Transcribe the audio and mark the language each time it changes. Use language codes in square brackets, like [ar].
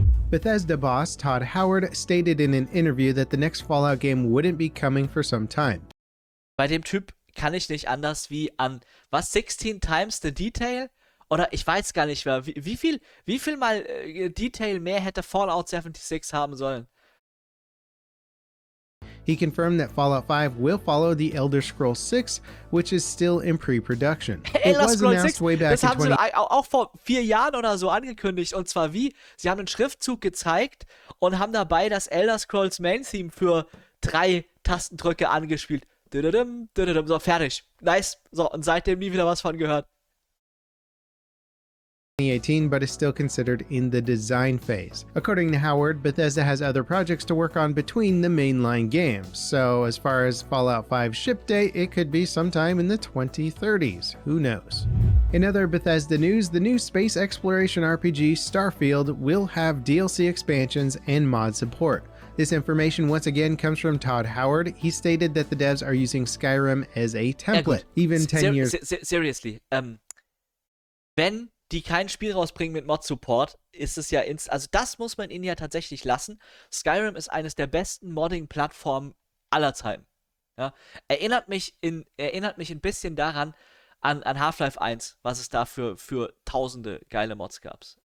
[en] Bethesda boss Todd Howard stated in an interview that the next Fallout game wouldn't be coming for some time. [de] Bei dem Typ kann ich nicht anders wie an, was, 16 times the detail? Oder ich weiß gar nicht mehr, wie viel mal Detail mehr hätte Fallout 76 haben sollen. [en] He confirmed that Fallout 5 will follow the Elder Scrolls 6, which is still in pre-production. [de] Elder Scrolls 6, das haben sie auch vor 4 Jahren oder so angekündigt. Und zwar wie? Sie haben einen Schriftzug gezeigt und haben dabei das Elder Scrolls Main Theme für 3 Tastendrücke angespielt. So, fertig. Nice. So, und seitdem nie wieder was von gehört. [en] 2018, but is still considered in the design phase. According to Howard, Bethesda has other projects to work on between the mainline games, so as far as Fallout 5's ship date, it could be sometime in the 2030s. Who knows? In other Bethesda news, the new space exploration RPG, Starfield, will have DLC expansions and mod support. This information once again comes from Todd Howard. He stated that the devs are using Skyrim as a template, even 10 years... Seriously, Ben... [de] die kein Spiel rausbringen mit Mod-Support, ist es ja, also das muss man ihnen ja tatsächlich lassen. Skyrim ist eines der besten Modding-Plattformen aller Zeiten. Ja? Erinnert mich ein bisschen daran, an Half-Life 1, was es da für tausende geile Mods gab.